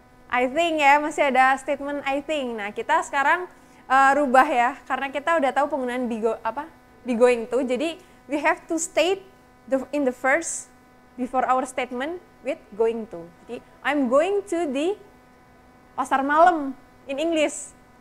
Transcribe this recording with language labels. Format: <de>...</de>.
<en>I think ya,</en> <id>masih ada</id> <en>statement I think.</en> <id>Nah, kita sekarang rubah ya, karena kita udah tahu penggunaan be going to.</id> <en>Jadi, we have to state in the first, before our statement, with going to. Jadi, I'm going to the pasar malam, in English.</en>